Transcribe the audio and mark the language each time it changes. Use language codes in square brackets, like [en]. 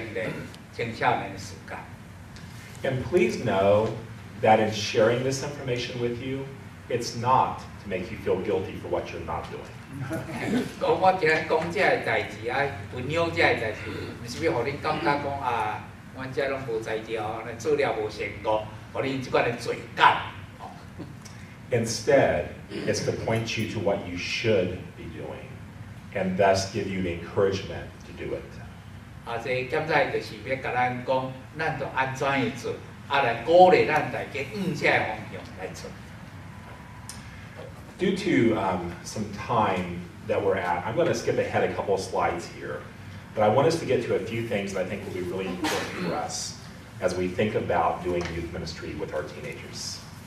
[zh] 要求他訓練，還是講教育這些父母，跟這些大哥大姐這樣，三個來做這個青年事工。 [en] And please know that in sharing this information with you, it's not to make you feel guilty for what you're not doing. [zh] 講我今天講這些事情，分享這些事情，不是要讓你感覺說，啊，我們這些都沒有在做，做了沒成功。 [en] Instead, it's to point you to what you should be doing, and thus give you the encouragement to do it. Due to some time that we're at, I'm going to skip ahead a couple of slides here, but I want us to get to a few things that I think will be really important for us as we think about doing youth ministry with our teenagers.